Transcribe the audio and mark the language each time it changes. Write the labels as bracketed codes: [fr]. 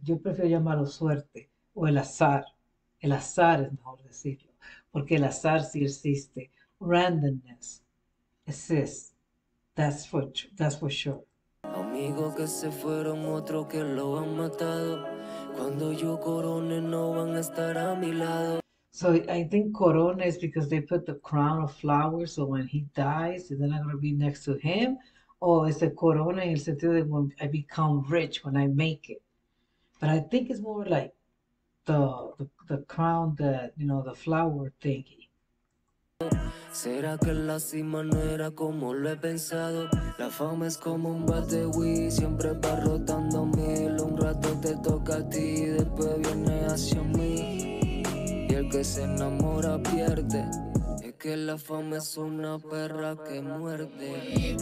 [es] Yo prefiero llamarlo suerte o el azar. El azar es mejor decirlo. Porque el azar sí existe. [en] Randomness exists. That's for sure. [es] Amigos que se fueron, otros que lo han matado. Cuando yo corone, no van a estar a mi lado. [en] So I think corona is because they put the crown of flowers, so when he dies, they're not going to be next to him. Or it's a corona in the sense that when I become rich, when I make it. But I think it's more like the crown, that, you know, the flower thingy. [es] ¿Será que la cima no era como lo he pensado? La fama es como un bar de Wii, siempre va rotando mil. Un rato te toca a ti, después viene hacia mí. Que se enamora pierde, es que la fama es una perra que muerde.